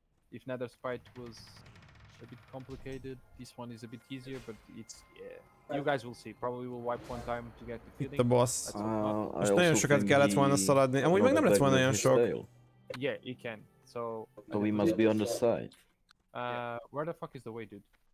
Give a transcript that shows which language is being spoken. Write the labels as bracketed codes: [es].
[en] If Nether Sprite was a bit complicated. This one is a bit easier, but it's you guys will see. Probably will wipe one time to get the feeling. [hu] Itt a boss. Most nagyon sokat kellett volna szaladni. Amúgy meg nem lett volna olyan sok. [en] Yeah, it can. So. But we must be on the side. Where the fuck is the way, dude?